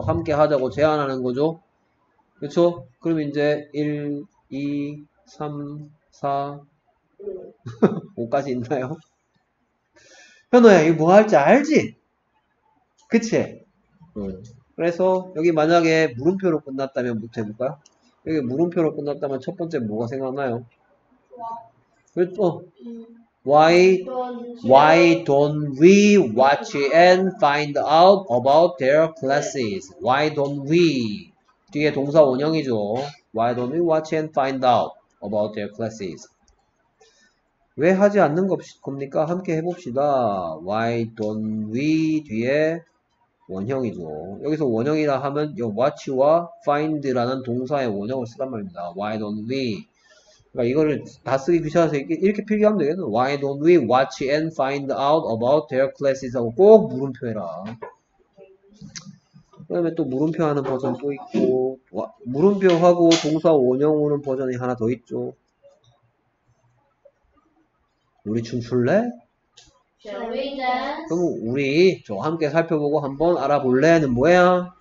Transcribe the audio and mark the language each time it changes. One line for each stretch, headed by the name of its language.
Korean: 함께 하자고 제안하는 거죠. 그렇죠. 그럼 이제 1, 2, 3, 4, 5까지 있나요? 현호야, 이거 뭐 할지 알지? 그치? 그래서 여기 만약에 물음표로 끝났다면 뭐 해볼까요? 여기 물음표로 끝났다면 첫 번째 뭐가 생각나요? 그렇죠.
English: Why don't we watch and find out about their classes? Why don't we?
Korean: 뒤에 동사 원형이죠.
English: Why don't we watch and find out about their classes?
Korean: 왜 하지 않는 겁니까? 함께 해봅시다.
English: Why don't we?
Korean: 뒤에 원형이죠. 여기서 원형이라 하면 이 watch와 find라는 동사의 원형을 쓰란 말입니다.
English: Why don't we?
Korean: 그러니까 이거를 다 쓰기 귀찮아서 이렇게 필기하면 되겠네.
English: Why don't we watch and find out about their classes?
Korean: 하고 꼭 물음표 해라. 그 다음에 또 물음표 하는 버전 또 있고, 와, 물음표 하고 동사 원형 오는 버전이 하나 더 있죠. 우리 춤출래?
English: Shall we dance?
Korean: 그럼 우리 저 함께 살펴보고 한번 알아볼래?는 뭐야?